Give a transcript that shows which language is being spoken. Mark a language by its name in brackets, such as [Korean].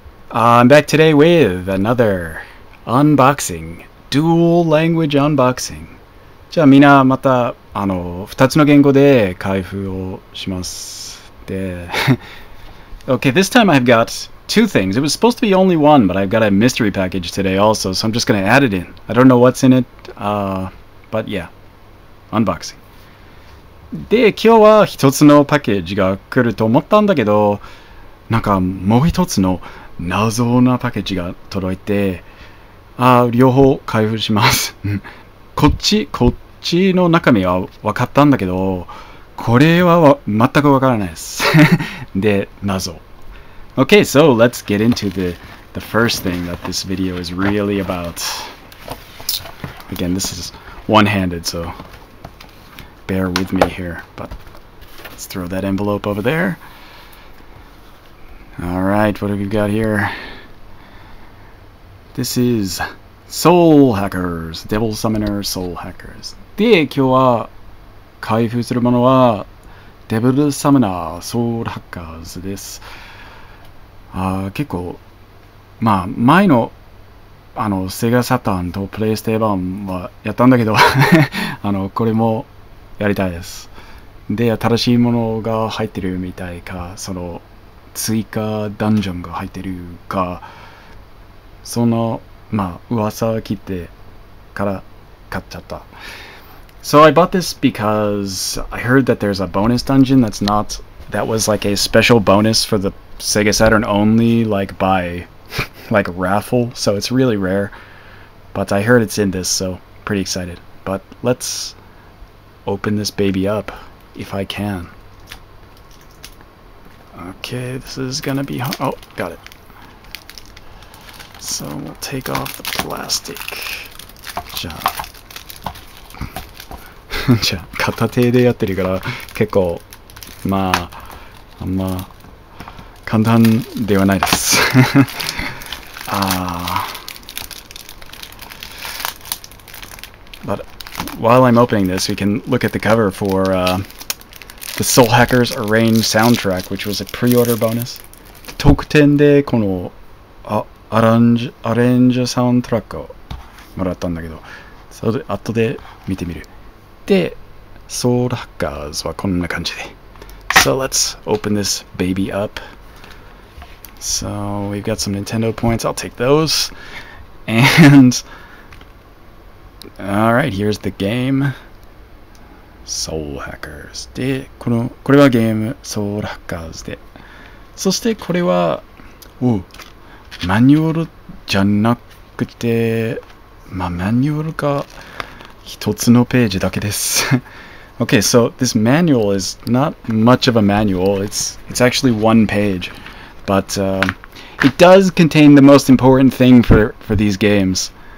[English] I'm back today with another unboxing, dual language unboxing. [Japanese] じゃあみんなまた2つの言語で開封をします。で、 [English] okay, this time I've got two things. It was supposed to be only one, but I've got a mystery package today also, so I'm just gonna add it in. I don't know what's in it, but yeah, unboxing. [Japanese] で、今日は一つのパッケージが来ると思ったんだけど、なんかもう一つの謎なパッケージが届いて、両方開封します。こっちの中身は分かったんだけど、これは全く分からないです。で、謎。 [English] Okay, so let's get into the first thing that this video is really about. Again, this is one-handed, so... Bear with me here, but let's throw that envelope over there. All right, what have we got here? This is Soul Hackers, Devil Summoner Soul Hackers. [Japanese] で、今日は開封するものは Devil Summoner Soul Hackers です。結構、まあ前のSega Saturnとプレイステーションはやったんだけど、これもやりたいです。で、新しいものが入ってるみたいか、その追加ダンジョンが入ってるか、そのまあ噂聞いてから買っちゃった。 [English] So I bought this because I heard that there's a bonus dungeon that's not that was like a special bonus for the Sega Saturn only like by like raffle, so it's really rare. But I heard it's in this, so pretty excited. But let'sOpen this baby up if I can. Okay, this is gonna be. Oh, got it. So we'll take off the plastic. じ [Japanese] ゃあ、片手でやってるから結構まあ、あんま簡単ではないです。 [English] But. While I'm opening this, we can look at the cover for the Soul Hackers Arranged soundtrack, which was a pre-order bonus. [Japanese] 特典でこのアレンジサウンドトラックをもらったんだけど、それ後で見てみる。で、Soul Hackers はこんな感じで。 [English] So let's open this baby up. So we've got some Nintendo points. I'll take those. And... All right, here's the game. Soul Hackers. [Japanese] で、これはゲーム、Soul Hackers で。そして、これは、マニュアルじゃなくて、まあ、マニュアルか、一つのページだけです。 [English] Okay, so this manual is not much of a manual. It's actually one page. But, it does contain the most important thing for these games.